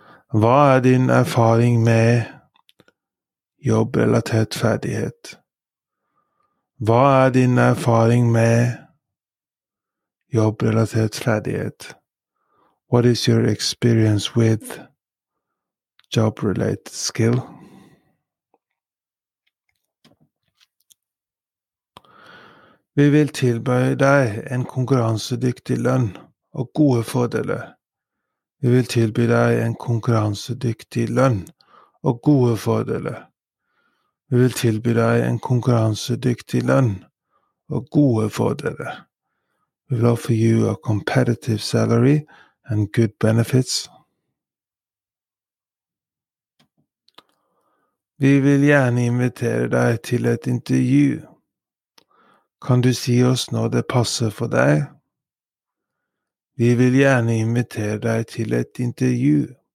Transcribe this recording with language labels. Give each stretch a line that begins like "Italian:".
Norwegian: Hva din erfaring med jobbrelatert ferdighet? Hva din erfaring med jobbrelatert ferdighet?
English: What is your experience with job-related skill?
Norwegian: Vi vil tilby deg en konkurransedyktig lønn og gode fordeler. Vi vil tilby deg en konkurransedyktig lønn og gode fordeler. Vi vil tilby deg en konkurransedyktig lønn og gode fordeler.
English: We will offer you a competitive salary and good benefits.
Norwegian: Vi vil gjerne invitere deg til et intervju. Kan du si oss når det passer for deg? Vi vil gjerne invitere deg til et intervju.